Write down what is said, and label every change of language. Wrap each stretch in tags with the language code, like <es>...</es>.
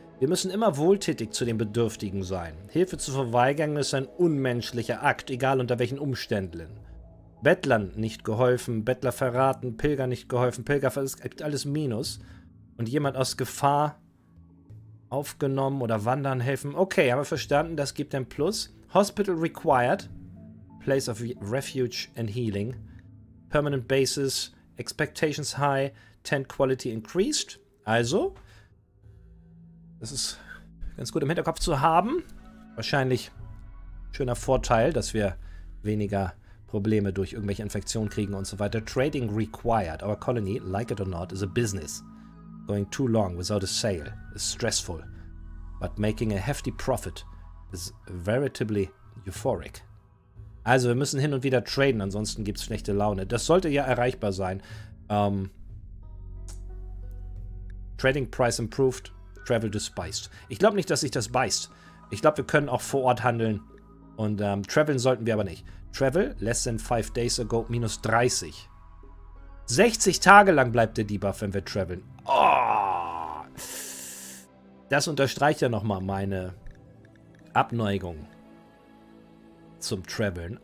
<de>Wir müssen immer wohltätig zu den Bedürftigen sein. Hilfe zu verweigern ist ein unmenschlicher Akt, egal unter welchen Umständen. Bettlern nicht geholfen, Bettler verraten, Pilger nicht geholfen, Pilger, es gibt alles Minus. Und jemand aus Gefahr aufgenommen oder wandern helfen. Okay, haben wir verstanden, das gibt ein Plus.</de> <en>Hospital required. Place of Refuge and Healing. Permanent Basis. Expectations high. Tent Quality increased.</en> <de>Also, das ist ganz gut im Hinterkopf zu haben. Wahrscheinlich schöner Vorteil, dass wir weniger Probleme durch irgendwelche Infektionen kriegen und so weiter.</de> <en>Trading required. Our colony, like it or not, is a business. Going too long without a sale is stressful. But making a hefty profit is veritably euphoric.</en> <de>Also, wir müssen hin und wieder traden, ansonsten gibt es schlechte Laune. Das sollte ja erreichbar sein.</de> <en>Trading price improved, travel despised.</en> <de>Ich glaube nicht, dass sich das beißt. Ich glaube, wir können auch vor Ort handeln. Und traveln sollten wir aber nicht.</de> <en>Travel less than 5 days ago, minus 30.</en> <de>60 Tage lang bleibt der Debuff, wenn wir traveln. Oh! Das unterstreicht ja nochmal meine Abneigung zum Traveln.</de>